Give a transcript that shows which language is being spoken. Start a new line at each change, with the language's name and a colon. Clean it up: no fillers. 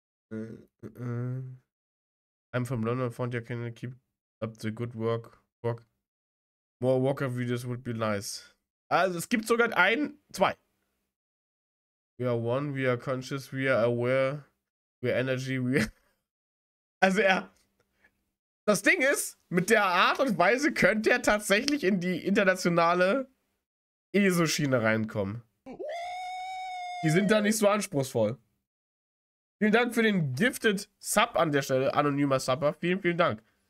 English: I'm from London, found you can keep up the good work. More Walker videos would be nice.
German: Also es gibt sogar ein, zwei.
English: We are one, we are conscious, we are aware, we are energy, we are...
German: Also er... Das Ding ist, mit der Art und Weise könnte er tatsächlich in die internationale ESO-Schiene reinkommen. Die sind da nicht so anspruchsvoll. Vielen Dank für den gifted Sub an der Stelle, anonymer Subber. Vielen, vielen Dank.